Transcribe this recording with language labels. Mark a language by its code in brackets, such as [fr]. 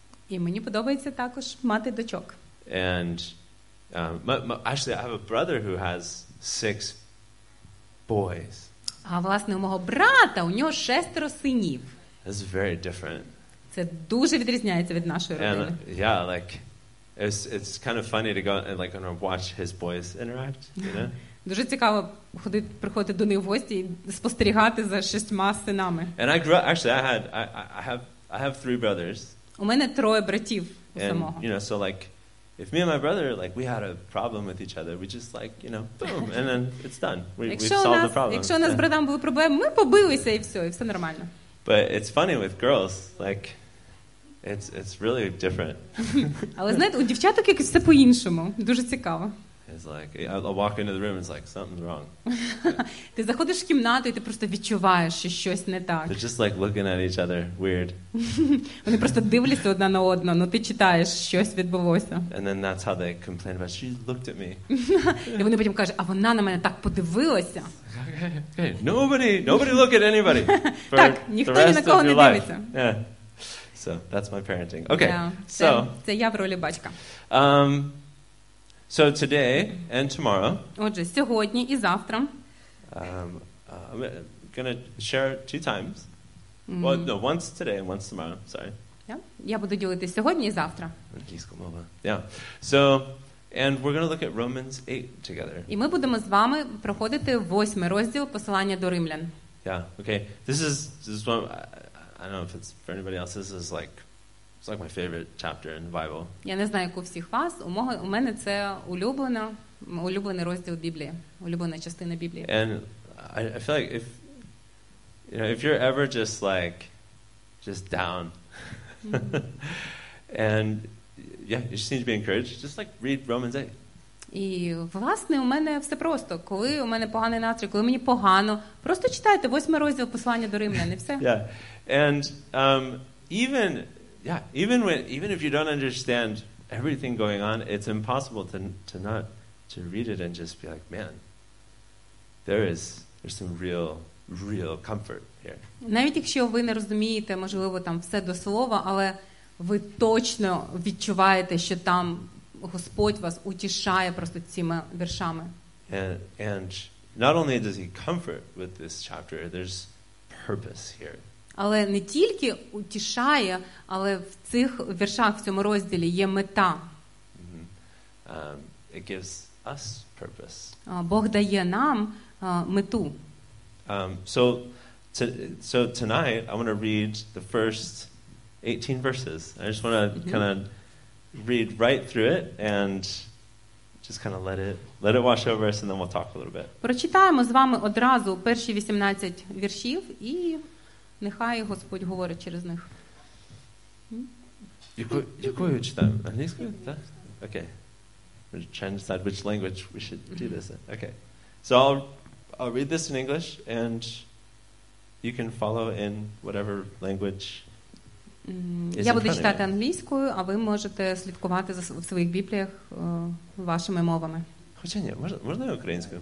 [uk] І мені подобається також мати дочок. [en] And actually I have a brother who has 6 boys. [uk] А власне, у мого брата, у нього 6 синів. [en] That's very different. [uk] Це дуже відрізняється від нашої родини. [en] And, yeah, like It's kind of funny to go and like and watch his boys interact, you know? [uk] Дуже цікаво ходити, приходити до них в гості і спостерігати за 6 синами. [en] And I grew up, actually I have 3 brothers. [uk] У мене 3 братів у самого. [en] And, you know, so like if me and my brother like we had a problem with each other, we just like, you know, boom, and then it's done. We've solved the problem. [uk] Якщо у нас з братом були проблеми, ми побилися і все нормально. [en] But it's funny with girls, like It's really different. [uk] Але знаєте, у дівчаток якось все по-іншому. Дуже цікаво. [en] It's like I walk into the room and it's like something's wrong. [uk] Ти заходиш в кімнату і ти просто відчуваєш, що щось не так. [en] They're just like looking at each other weird. [uk] Вони просто дивляться одна на одну, ну ти читаєш, щось відбулося. [en] And then that's how they complain about she looked at me. [uk] І вони потім кажуть: "А вона на мене так подивилася". [en] Okay. Nobody look at anybody. [uk] Так, ніхто ні на кого не дивиться. [en] So that's my parenting. Okay. Yeah. So [uk] це я в ролі батька. [en] So today and tomorrow. [uk] Отже, сьогодні і завтра. [en] I'm gonna share two times. Mm-hmm. Well, no, once today and once tomorrow. Sorry. [uk] Yeah. Я буду ділити сьогодні і завтра. Англійська мова. Yeah. [en] So and we're gonna look at Romans 8 together. [uk] І ми будемо з вами проходити восьмий розділ Послання до Римлян. [en] Yeah. Okay. This is one. I don't know if it's for anybody else. This is like it's like my favorite chapter in the Bible. [uk] Я не знаю, як у всіх вас. У мене це улюблений розділ Біблії, улюблена частина Біблії. [en] And I feel like if you're ever just down, mm-hmm. and yeah, you just need to be encouraged. Just like read Romans 8. [uk] І власне у мене все просто. Коли у мене поганий настрій, коли мені погано, просто читайте восьмий розділ Послання до Римлян, і все. Yeah. [en] And even if you don't understand everything going on, it's impossible to not read it and just be like, man, there's some real comfort here. [uk] Навіть якщо ви не розумієте, можливо, там все до слова, але ви точно відчуваєте, що там Господь вас утішає просто цими віршами. [en] And not only does he comfort with this chapter, there's purpose here. [uk] Але не тільки утішає, але в цих віршах, в цьому розділі є мета. Mm-hmm. [en] It gives us purpose. [uk] Бог дає нам мету. [en] So tonight I want to read the first 18 verses. I just want to kind of read right through it and just kind of let it wash over us, and then we'll talk a little bit. [uk] Прочитаємо з вами одразу перші 18 віршів і нехай Господь говорить через них. Якою читаємо? Англійською? Так? Okay. [en] We're trying to decide which language we should do this in. Okay. So I'll read this in English and you can follow in whatever language is in. [uk] Я буду читати англійською, а ви можете слідкувати за в своїх бібліях вашими мовами. Хоча ні, можна і українською?